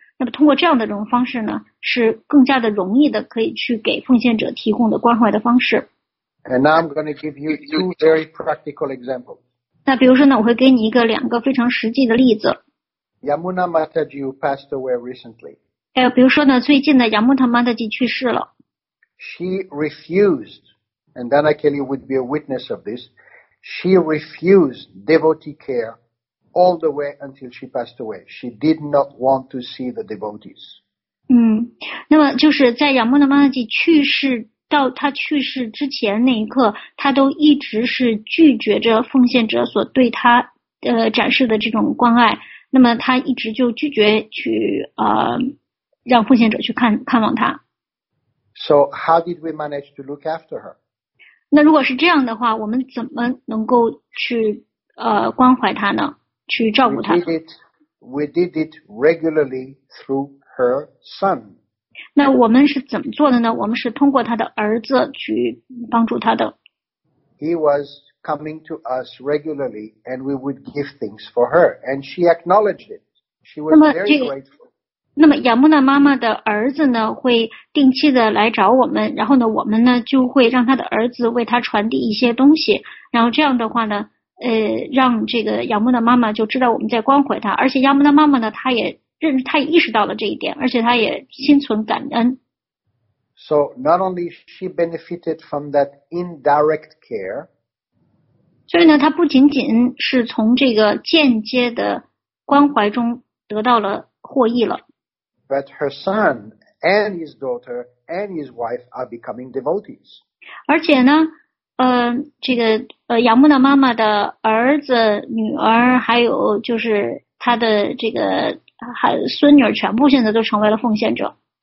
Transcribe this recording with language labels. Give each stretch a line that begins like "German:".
Chinese: 那么通过这样的这种方式呢，是更加的容易的，可以去给奉献者提供的关怀的方式。
English: And now I'm going to give you two very practical examples.
Chinese: 那比如说呢，我会给你一个两个非常实际的例子。
English: Yamuna Mataji passed away recently.
Chinese: 比如说呢，最近的 Yamuna Mataji 去世了。
English: She refused, and Dana Kelly would be a witness of this, she refused devotee care all the way until she passed away. She did not want to see the devotees.
Chinese: 那么就是在 Yamuna Mataji 去世到他去世之前那一刻，他都一直是拒绝着奉献者所对他展示的这种关爱。那么他一直就拒绝去让奉献者去看望他。
English: So how did we manage to look after her?
Chinese: 那如果是这样的话，我们怎么能够去关怀他呢？去照顾他呢？
English: We did it regularly through her son.
Chinese: 那我们是怎么做的呢？我们是通过他的儿子去帮助他的。
English: He was coming to us regularly, and we would give things for her, and she acknowledged it. She was very grateful.
Chinese: 那么亚穆娜妈妈的儿子呢，会定期的来找我们，然后呢，我们呢就会让他的儿子为他传递一些东西，然后这样的话呢，让这个亚穆娜妈妈就知道我们在关怀他，而且亚穆娜妈妈呢，他也意识到了这一点，而且他也心存感恩。
English: So not only she benefited from that indirect care.
Chinese: 所以呢，他不仅仅是从这个间接的关怀中得到了获益了。
English: But her son and his daughter and his wife are becoming devotees.
Chinese: 而且呢，这个亚穆娜妈妈的儿子、女儿，还有就是他的这个。孙女全部现在都成为了奉献者。